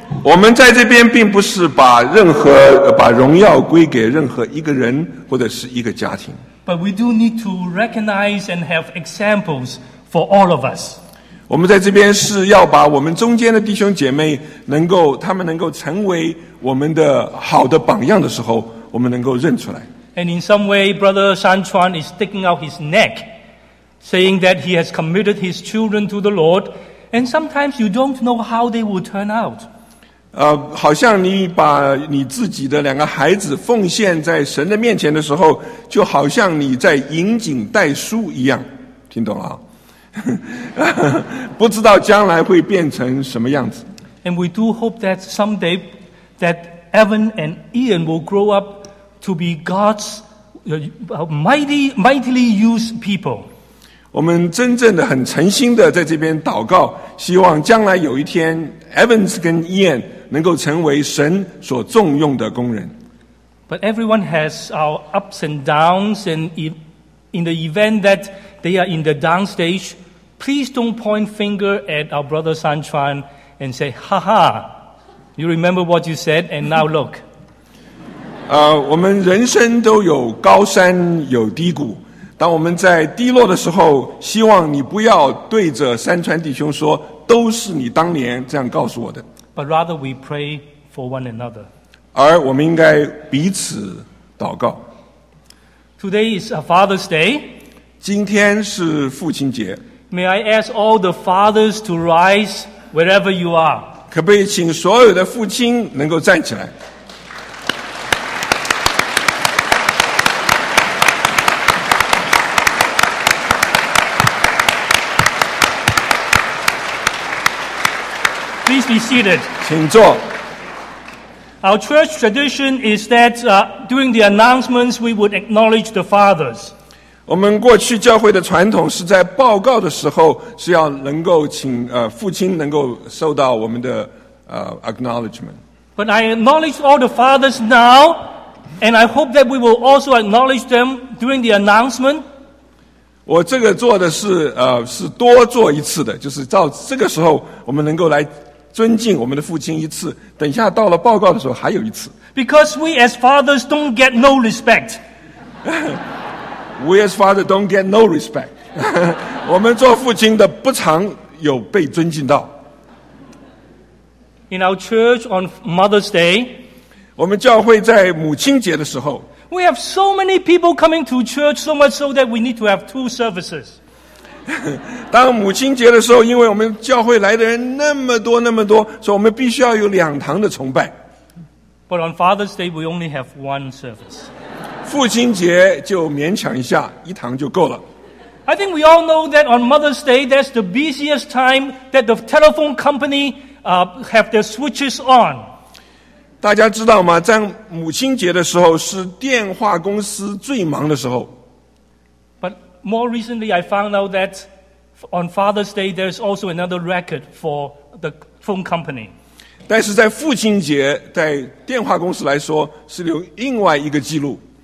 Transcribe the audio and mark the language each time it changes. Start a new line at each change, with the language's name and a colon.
Chinese: 我们在这边并不是把荣耀归给任何一个人或者是一个家庭。
English: But we do need to recognize and have examples for all of us.
Chinese: 我们在这边是要把我们中间的弟兄姐妹他们能够成为我们的好的榜样的时候，我们能够认出来。
English: And in some way, Brother San Chuan is sticking out his neck. Saying that he has committed his children to the Lord, and sometimes you don't know how they will turn out.
Chinese: 好像你把你自己的两个孩子奉献在神的面前的时候，就好像你在引颈戴束一样，听懂了？不知道将来会变成什么样子。
English: And we do hope that someday that Evan and Ian will grow up to be God's mightily used people.
Chinese: 我们真正的很诚心的在这边祷告，希望将来有一天 Evans 跟 Ian 能够成为神所重用的工人。
English: But everyone has our ups and downs, and in the event that they are in the down stage, please don't point finger at our brother San Chuan and say, "Ha ha, you remember what you said, and now look."
Chinese: 我们人生都有高山有低谷。当我们在低落的时候，希望你不要对着山川弟兄说，都是你当年这样告诉我的。
English: But rather we pray for one another.
Chinese: 而我们应该彼此祷告。
English: Today is a Father's Day.
Chinese: 今天是父亲节。
English: May I ask all the fathers to rise wherever you are?
Chinese: 可不可以请所有的父亲能够站起来？
English: Please be seated.
Chinese: 请坐。
English: Our church tradition is that during the announcements, we would acknowledge the fathers.
Chinese: 我们过去教会的传统是在报告的时候是要能够请父亲能够受到我们的acknowledgement.
English: But I acknowledge all the fathers now, and I hope that we will also acknowledge them during the announcement.
Chinese: 我这个做的是是多做一次的，就是到这个时候我们能够来尊敬我们的父亲一次，等一下到了报告的时候还有一次。
English: Because we as fathers don't get no respect. We as fathers don't get no respect.
Chinese: 我们做父亲的不常有被尊敬到。
English: In our church on Mother's Day,
Chinese: 我们教会在母亲节的时候，
English: we have so many people coming to church, so much so that we need to have two services.
Chinese: 当母亲节的时候，因为我们教会来的人那么多那么多，所以我们必须要有两堂的崇拜。
English: But on Father's Day, we only have one service.
Chinese: 父亲节就勉强一下，一堂就够了。
English: I think we all know that on Mother's Day, that's the busiest time that the telephone company have their switches on.
Chinese: 大家知道吗？在母亲节的时候是电话公司最忙的时候。
English: But more recently, I found out that on Father's Day, there's also another record for the phone company.
Chinese: 但是在父亲节，在电话公司来说是有另外一个记录。